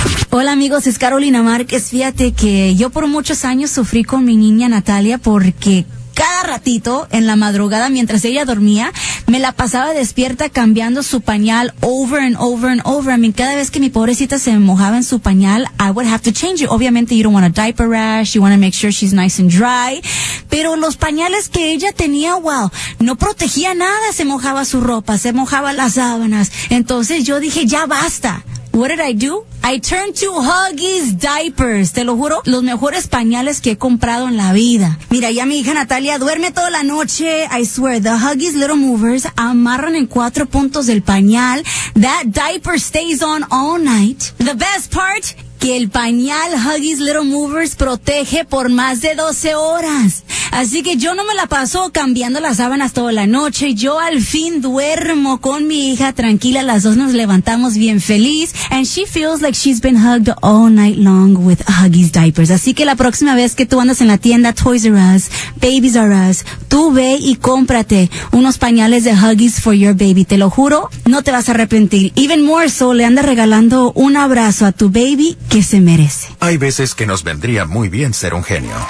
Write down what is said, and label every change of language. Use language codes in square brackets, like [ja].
[es] Hola amigos, es Carolina Márquez. Fíjate que yo por muchos años sufrí con mi niña Natalia porque cada ratito, en la madrugada, mientras ella dormía, me la pasaba despierta cambiando su pañal [en] over and over and over. [es] I mean, cada vez que mi pobrecita se mojaba en su pañal, [en] I would have to change it. Obviamente, you don't want a diaper rash, you want to make sure she's nice and dry. [es] Pero los pañales que ella tenía, wow, no protegía nada. Se mojaba su ropa, se mojaba las sábanas. Entonces yo dije, ya basta. [en] What did I do? I turned to Huggies Diapers. [es] Te lo juro, los mejores pañales que he comprado en la vida. Mira, ya mi hija Natalia duerme toda la noche. [en] I swear, the [es] Huggies Little Movers amarran en cuatro puntos del pañal. [en] That diaper stays on all night. The best part, [es] que el pañal Huggies Little Movers protege por más de 12 horas. Así que yo no me la paso cambiando las sábanas toda la noche. Yo al fin duermo con mi hija tranquila. Las dos nos levantamos bien feliz. [en] And she feels like she's been hugged all night long with Huggies diapers. [es] Así que la próxima vez que tú andas en la tienda Toys R Us, Babies R Us, tú ve y cómprate unos pañales de Huggies [en] for your baby. [es] Te lo juro, no te vas a arrepentir. [en] Even more so, [es] le andas regalando un abrazo a tu baby que se merece. Hay veces que nos vendría muy bien ser un genio.